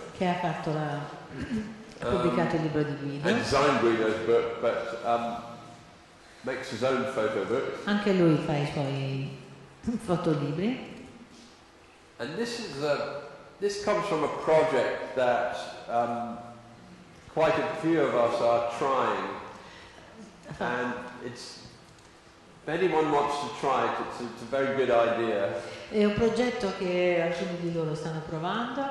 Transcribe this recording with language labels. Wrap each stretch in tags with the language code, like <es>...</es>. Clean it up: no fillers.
<it>Che ha fatto la pubblicato il libro di Guido.</it> <en>And designed Guido's book, but makes his own photo book.</en> <it>Anche lui fa i suoi fotolibri.</it> <en>And this comes from a project that quite a few of us are trying. And it's, if anyone wants to try it, it's a very good idea.</en> <it>È un progetto che alcuni di loro stanno provando.</it>